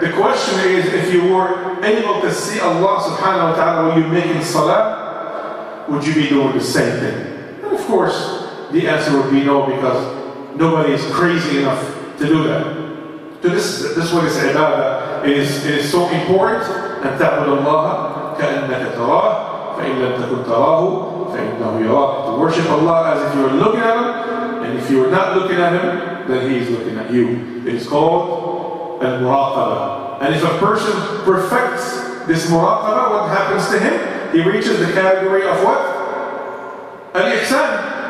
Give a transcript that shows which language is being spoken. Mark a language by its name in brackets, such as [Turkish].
[English] The question is, if you were able to see Allah subhanahu wa ta'ala when you're making salah, would you be doing the same thing? And of course, the answer would be no, because nobody is crazy enough to do that. So this is what it's ibadah. It is so important. [Arabic] أن تعبد الله كأنك تراه فإن لم تكن تراه فإنه يراك. [English] To worship Allah as if you are looking at Him, and if you are not looking at Him, then He is looking at you. It is called al-muraqabah. And if a person perfects this muraqabah, what happens to him? he reaches the category of what? Al-Ihsan.